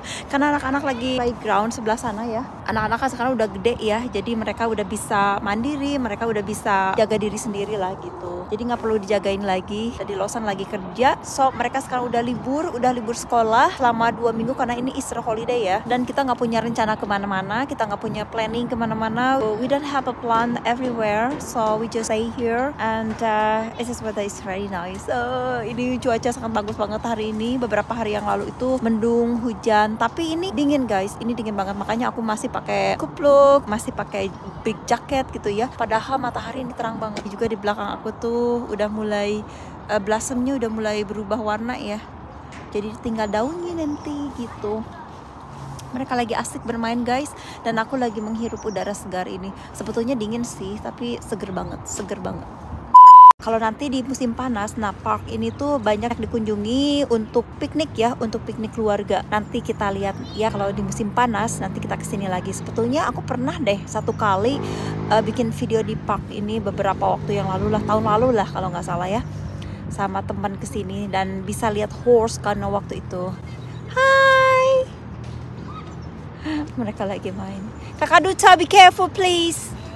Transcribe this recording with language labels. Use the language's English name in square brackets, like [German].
[Indonesian] Karena anak-anak lagi playground sebelah sana ya. Anak-anak kan sekarang udah gede ya, jadi mereka udah bisa mandiri, mereka udah bisa jaga diri sendiri lah gitu. Jadi gak perlu dijagain lagi, di Losan lagi kerja. So, mereka sekarang udah libur sekolah selama 2 minggu karena ini Easter holiday ya. Dan kita gak punya rencana kemana-mana, kita gak punya planning kemana-mana. [English] We don't have a plan everywhere, so we just stay here. And it's just weather is very nice. [Indonesian] Ini cuaca sangat bagus banget hari ini. Beberapa hari yang lalu itu mendung, hujan, tapi ini dingin guys, ini dingin banget, makanya aku masih pakai kupluk, masih pakai big jacket gitu ya, padahal matahari ini terang banget. Juga di belakang aku tuh udah mulai blossomnya udah mulai berubah warna ya, jadi tinggal daunnya nanti gitu. Mereka lagi asik bermain guys, dan aku lagi menghirup udara segar ini. Sebetulnya dingin sih, tapi seger banget, seger banget. Kalau nanti di musim panas, nah park ini tuh banyak dikunjungi untuk piknik ya, untuk piknik keluarga. Nanti kita lihat ya, kalau di musim panas nanti kita kesini lagi. Sebetulnya aku pernah deh satu kali bikin video di park ini beberapa waktu yang lalu lah, tahun lalu lah kalau nggak salah ya, sama teman kesini dan bisa lihat horse karena waktu itu. Hai, mereka lagi main. [English] Kakak Duta, be careful please.